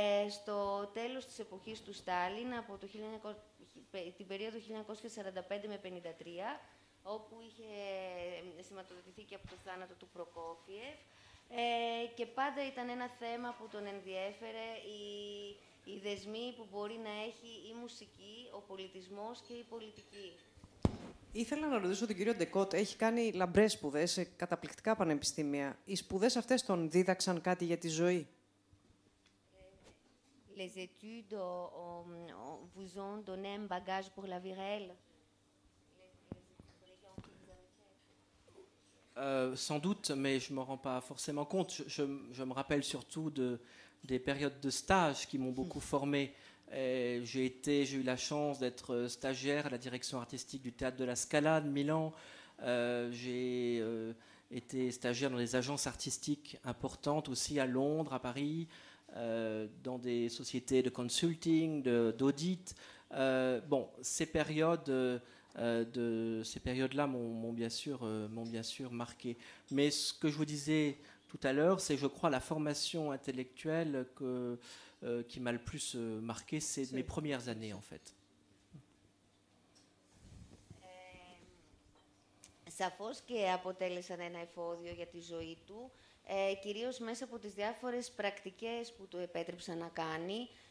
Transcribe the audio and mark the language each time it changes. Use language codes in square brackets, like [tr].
[el] Στο τέλος της εποχής του Στάλιν, από την περίοδο 1945 με 1953, όπου είχε σηματοδοτηθεί και από το θάνατο του Προκόφιεφ, και πάντα ήταν ένα θέμα που τον ενδιέφερε, η δεσμή που μπορεί να έχει η μουσική, ο πολιτισμός και η πολιτική. Ήθελα να ρωτήσω τον κύριο Ντεκότ, έχει κάνει λαμπρές σπουδές σε καταπληκτικά πανεπιστήμια. Οι σπουδές αυτές τον δίδαξαν κάτι για τη ζωή? [fr] Les études vous ont donné un bagage pour la vie réelle? Sans doute, mais je ne me rends pas forcément compte. Je me rappelle surtout des périodes de stage qui m'ont beaucoup formé. J'ai eu la chance d'être stagiaire à la direction artistique du Théâtre de la Scala de Milan. J'ai été stagiaire dans des agences artistiques importantes aussi à Londres, à Paris, dans des sociétés de consulting, d'audit. Bon, ces périodes, de ces périodes-là m'ont bien sûr marqué. Mais ce que je vous disais tout à l'heure, c'est, je crois, la formation intellectuelle qui m'a le plus marqué, c'est mes premières années, en fait. [el] Σαφώς και αποτέλεσαν ένα εφόδιο για τη ζωή του, κυρίως μέσα από τις διάφορες πρακτικές που του επέτρεψαν να κάνει.